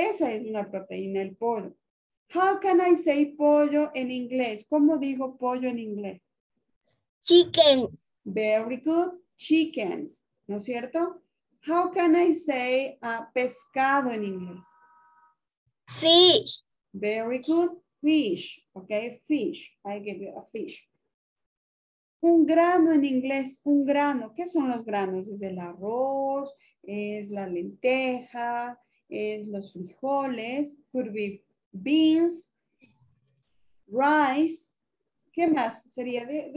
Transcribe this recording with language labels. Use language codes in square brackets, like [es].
[es] Esa es una proteína, el pollo. [en] How can I say [es] pollo en inglés? ¿Cómo digo pollo en inglés? [en] Chicken. Very good. Chicken, [es] ¿no es cierto? [en] How can I say [es] pescado en inglés? [en] Fish. Very good. Fish, ok, fish, I give you a fish. [es] Un grano en inglés, un grano, ¿qué son los granos? Es el arroz, es la lenteja, es los frijoles, [en] could be beans, rice, [es] ¿qué más sería?